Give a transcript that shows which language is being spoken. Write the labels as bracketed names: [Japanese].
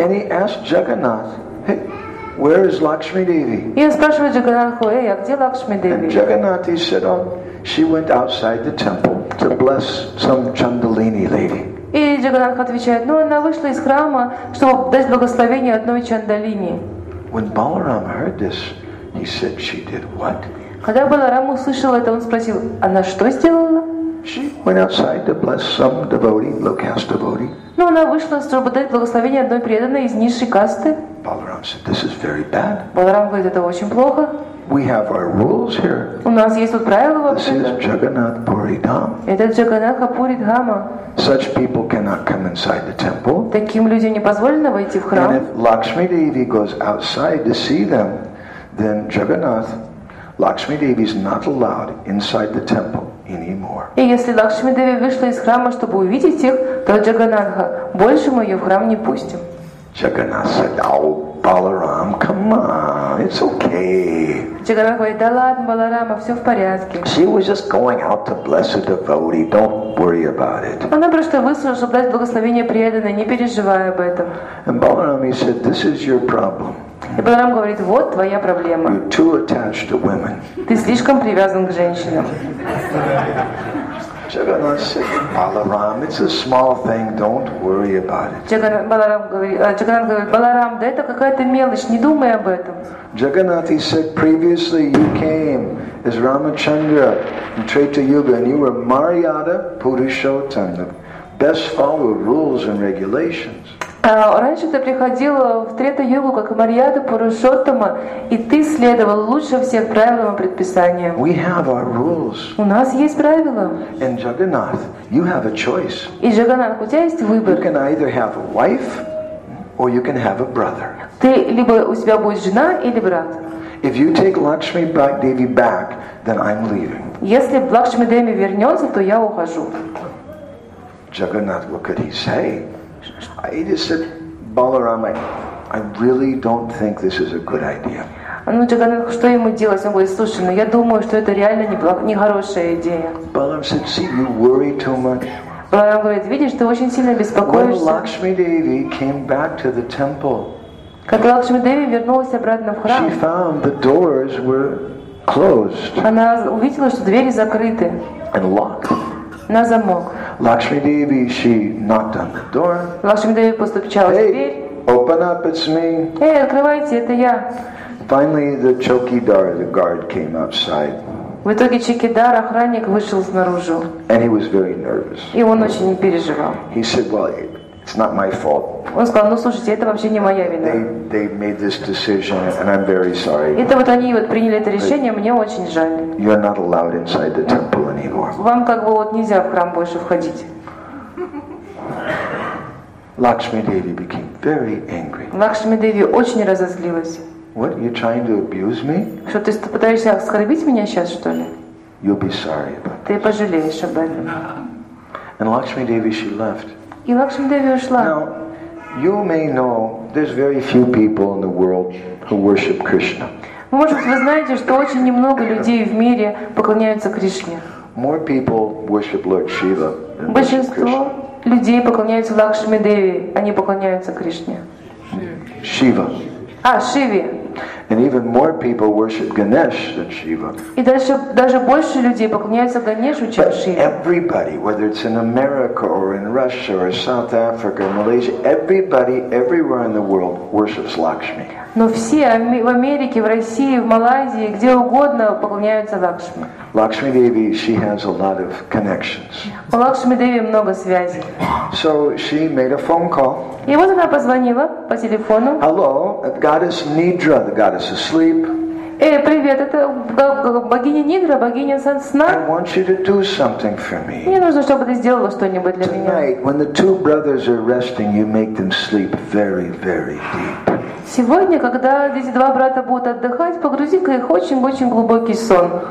[English] And he asked Jagannath, hey, where is Lakshmi Devi? [Russian] И он спрашивает Джаганатху, эй, а где Лакшми Деви? [English] And Jagannath, he said, oh, she went outside the temple to bless some Chandalini lady. [Russian] И Джаганатх отвечает, ну, она вышла из храма, чтобы дать благословение одной Чандалини. [English] When Balaram heard this, he said, she did what? [Russian] Когда Баларам услышал это, он спросил, она что сделала? [English] She went outside to bless some devotee, low caste devotee. [Russian] Ну, она вышла, чтобы дать благословение одной преданной из низшей касты. [English] Balaram said, this is very bad. [Russian] Баларам говорит, это очень плохо. [English] We have our rules here. [Russian] У нас есть тут правила вообще. [English] This is Jagannath Puri Dham. [Russian] Это Джаганнатха Пури Дхама. [English] Such people cannot come inside the temple. [Russian] Таким людям не позволено войти в храм. [English] And if Lakshmi Devi goes outside to see them, then Jagannath, Lakshmi Devi is not allowed inside the temple anymore. [Russian] И если Лакшми Деви вышла из храма, чтобы увидеть их, то Джаганнатха, больше мы ее в храм не пустим. [English] Джаганнатх said, oh, Balaram, come on, it's okay. [Russian] Джаганнатх говорит, да ладно, Баларама, все в порядке. [English] She was just going out to bless a devotee, don't worry about it. [Russian] Она просто вышла, чтобы дать благословение преданной, не переживай об этом. [English] And Balaram, he said, this is your problem. [Russian] И Баларам говорит, вот твоя проблема. [English] You're too attached to women. [Russian] Ты слишком привязан к женщинам. [English] Джаганнатх said, Balaram, it's a small thing, don't worry about it. [Russian] Джаганнатх говорит, Баларам, да это какая-то мелочь, не думай об этом. [English] Джаганнатх, he said, previously you came as Ramachandra in Treta Yuga and you were Maryada Purushottam, the best follower of rules and regulations. [Russian] Раньше ты приходил в Трета-йогу как Мариада Пурушоттама, и ты следовал лучше всех правилам и предписаниям. [English] We have our rules. [Russian] У нас есть правила. [English] And Jagannath, you have a choice. [Russian] И Джаганнатх, у тебя есть выбор. [English] You can either have a wife, or you can have a brother. [Russian] Ты либо у тебя будет жена или брат. [English] If you take Lakshmi Devi back, then I'm leaving. [Russian] Если Лакшми Деви вернется, то я ухожу. [English] Jagannath, what could he say? He just said, Balaram, I really don't think this is a good idea. [Russian] Ну, Джаганнатх, что ему делать? Он говорит, слушай, ну я думаю, что это реально нехорошая идея. [English] Balaram said, see, you worry too much. [Russian] Баларам говорит, видишь, ты очень сильно беспокоишься. [English] When Lakshmi Devi came back to the temple, [Russian] когда Лакшми Деви вернулась обратно в храм, [English] she found the doors were closed. [Russian] Она увидела, что двери закрыты. [English] And locked. [Russian] На замок. [English] Lakshmi Devi, she knocked on the door. [Russian] Lakshmi Devi постучала в дверь. [English] Open up, it's me. [Russian] Эй, открывайте, это я. [English] Finally, the chokidar, the guard, came outside. [Russian] В итоге чокидар, охранник, вышел снаружи. [English] And he was very nervous. [Russian] И он очень не переживал. [English] He said, "Well, it's not my fault." [Russian] Он сказал, ну слушайте, это вообще не моя вина. [English] They made this decision, and I'm very sorry. [Russian] Это вот они вот приняли это решение, мне очень жаль. [English] You're not allowed inside the temple anymore. [Russian] Вам как бы вот нельзя в храм больше входить. [English] Lakshmi Devi became very angry. [Russian] Лакшми Деви очень разозлилась. [English] What, you're trying to abuse me? [Russian] Что, ты пытаешься оскорбить меня сейчас, что ли? [English] You'll be sorry about this. [Russian] Ты пожалеешь об этом. [English] And Lakshmi Devi, she left. [Russian] И Лакшми Деви ушла. [English] Now, you may know there's very few people in the world who worship Krishna. [Russian] Может быть, вы знаете, что очень немного людей в мире поклоняются Кришне. [English] More people worship Lord Shiva than worship Krishna. [Russian] Большинство людей поклоняются Лакшми Деви, а не поклоняются Кришне. Шива. А, Шиве. [English] And even more people worship Ganesh than Shiva. [Russian] И даже больше людей поклоняются Ганешу, чем Шиве. [English] Everybody, whether it's in America or in Russia or South Africa or Malaysia, everybody everywhere in the world worships Lakshmi. [Russian] Но все в Америке, в России, в Малайзии, где угодно поклоняются Лакшми. [English] Lakshmi Devi, she has a lot of connections. [Russian] У Лакшми Деви много связей. [English] So she made a phone call. [Russian] И вот она позвонила по телефону. [English] Hello, goddess Nidra, the goddess of sleep. [Russian] Эй, привет, это богиня Нидра, богиня сна. [English] I want you to do something for me. [Russian] Мне нужно, чтобы ты сделала что-нибудь для [English] Tonight, [Russian] меня. [English] Tonight, when the two brothers are resting, you make them sleep very, very deep. [Russian] Сегодня, когда эти два брата будут отдыхать, погрузи-ка их очень-очень глубокий сон.